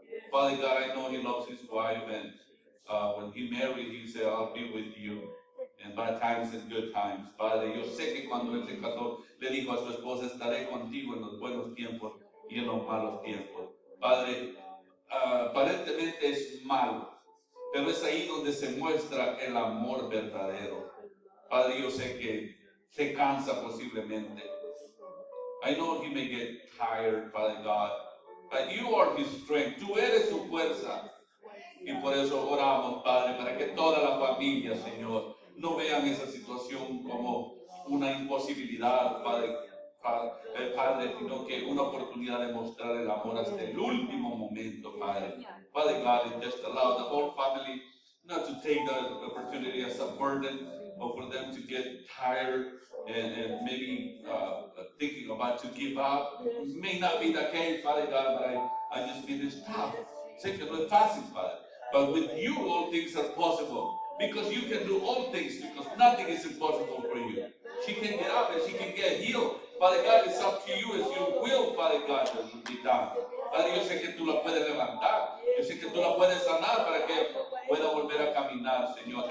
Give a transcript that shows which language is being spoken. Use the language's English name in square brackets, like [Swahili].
[English] Father God, I know he loves his wife, and when he married, he said, I'll be with you in bad times and good times. [Spanish] Padre, yo sé que cuando él se casó, le dijo a su esposa, estaré contigo en los buenos tiempos y en los malos tiempos. Padre, aparentemente es malo, pero es ahí donde se muestra el amor verdadero. Padre, yo sé que se cansa posiblemente. [English] I know he may get tired, Father God. But you are his strength. [Spanish] Tú eres su fuerza. Y por eso oramos, Padre, para que toda la familia, Señor, no vean esa situación como una imposibilidad, Padre. el Padre, sino que una oportunidad de mostrar el amor hasta el último momento, Padre. [English] Father God, and just allow the whole family not to take the opportunity as a burden, but for them to get tired and maybe thinking about to give up. It may not be the case, Father God, but I just mean it's tough. Say [Spanish] que no es fácil, [English] Father. But with you, all things are possible. Because you can do all things, because nothing is impossible for you. She can get up and she can get healed. Father God, it's up to you. It's your will, Father God, that will be done. [Spanish] Padre, yo sé que tú la puedes levantar. Yo sé que tú la puedes sanar para que pueda volver a caminar, Señor.